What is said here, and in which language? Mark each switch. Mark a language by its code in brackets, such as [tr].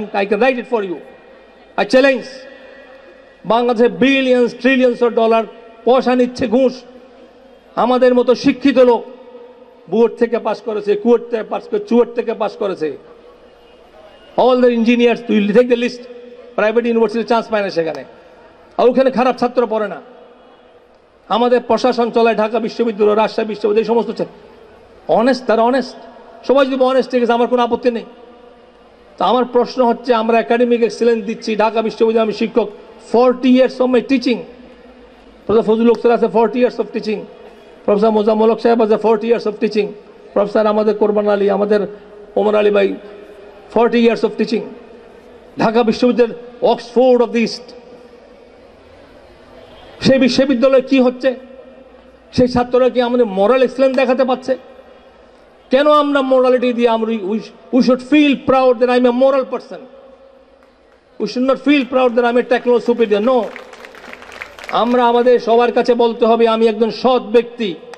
[en] I can write it for you, I challenge, [bn] বাংলাদেশে billions trillions of dollar পয়সা নিচ্ছে ঘুষ, আমাদের মতো শিক্ষিত লোক বুয়েট থেকে পাস করেছে, কুয়েট থেকে পাস করে, চুয়েট থেকে পাস করেছে, [en] all the engineers, তুই take the list, [bn] প্রাইভেট ইউনিভার্সিটির চান্স পায় না সেখানে, আর ওখানে খারাপ ছাত্র পড়ে না, আমাদের প্রশাসন চলায় ঢাকা বিশ্ববিদ্যালয়, রাজশাহী বিশ্ববিদ্যালয়, এই সমস্ত হচ্ছে অনেস্ট, তারা অনেস্ট, সবাই যদি অনেস্ট ঠিক আছে, আমার কোনো আপত্তি নেই। তো আমার প্রশ্ন হচ্ছে, আমরা একাডেমিক এক্সেলেন্স দিচ্ছি ঢাকা বিশ্ববিদ্যালয়, আমি শিক্ষক [en] 40 years of my teaching, Professor Fazlul Haq sir has 40 years of teaching. Professor Muzammal Haq sahib has 40 years of teaching. Professor Amader Kurban Ali, Amader Omar Ali bhai, 40 years of teaching. Dhaka Bishwavidyalay, Oxford of the East. [bn] সেই বিশ্ববিদ্যালয়ে কি হচ্ছে? সেই ছাত্ররা কি আমাদের moral ইসলাম দেখাতে পাচ্ছে? কেন আমরা মোরালিটি দিয়ে আমরা [en] We should feel proud that I am a moral person, we should not feel proud that I am a techno superior? [bn] No, আমরা আমাদের সবার কাছে বলতে হবে আমি একজন সৎ ব্যক্তি।